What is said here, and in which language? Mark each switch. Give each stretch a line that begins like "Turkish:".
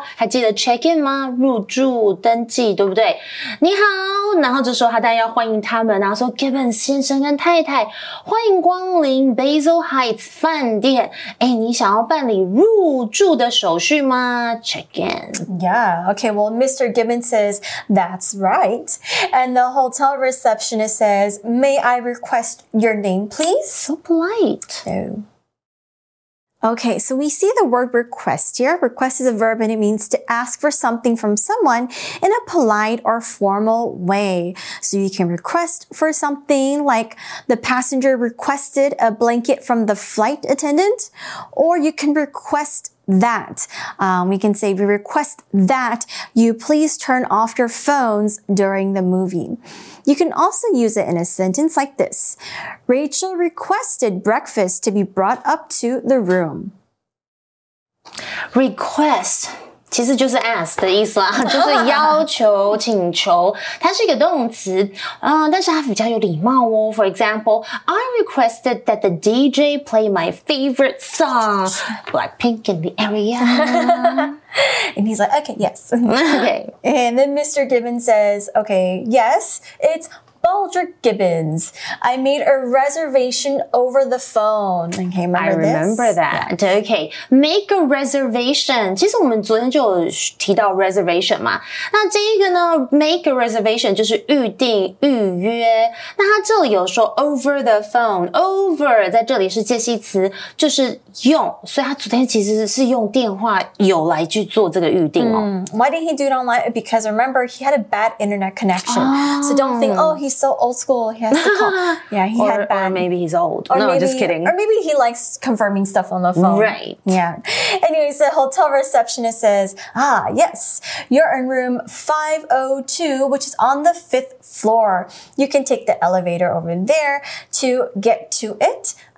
Chinese: 还记得 check in 吗？入住登记，对不对？你好。然后这时候他当然要欢迎他们，然后说 Gibbons 先生跟太太，欢迎光临 Basil Heights 饭店。哎，你想要办理入住的手续吗？
English: Check in. Yeah. Okay. Well, Mr. Gibbons says, that's right. And the hotel receptionist says, may I request your name, please? So polite. No. Okay, so we see the word request here. Request is a verb and it means to ask for something from someone in a polite or formal way. So you can request for something like the passenger requested a blanket from the flight attendant, or you can request that. We can say we request that you please turn off your phones during the movie. You can also use it in a sentence like this. Rachel requested breakfast to be brought up to the room. Request.
Chinese: 其实就是 ask 的意思啦，就是要求、请求。它是一个动词，但是它比较有礼貌哦。
English: For example, I requested that the DJ play my favorite song, Blackpink in the area. And he's like, okay, yes. Okay. And then Mr. Gibbons says, okay, yes, it's Baldrick Gibbons. I made a reservation over the phone. Okay, remember this? I remember that. Yeah. Okay. Make a reservation.
Chinese: 其实我们昨天就有提到 reservation 嘛。那这个呢 ,make a reservation 就是预定预约。那它这里有说
English: over the phone.
Chinese: Over 在这里是介系词就是用。所以它昨天其实是用电话有来去做这个预定哦。
English: Why didn't he do it online? Because remember, he had a bad internet connection. So don't think, oh,he's so old school. He has to call. Yeah, Or maybe he's old. No, just kidding. Or maybe he likes confirming stuff on the phone. Right. Yeah. Anyways, the hotel receptionist says, ah, yes, you're in room 502, which is on the fifth floor. You can take the elevator over there to get to it.